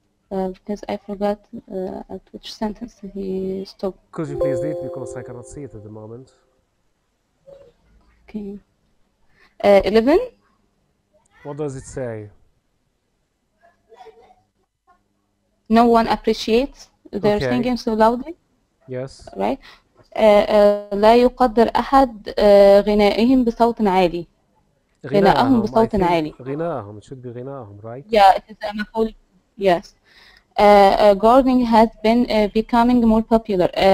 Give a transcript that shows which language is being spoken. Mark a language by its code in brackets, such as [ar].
[en] Because I forgot at which sentence he stopped. Could you please read because I cannot see it at the moment. Okay. 11. What does it say? No one appreciates their okay. singing so loudly. Yes. Right. [ar] لا يقدر أحد غنائهم بصوت عالي. غناءهم بصوت عالي. غناءهم. [en] It should be غناءهم, right? Yeah, it is a مفعول. Yes. Gardening has been becoming more popular.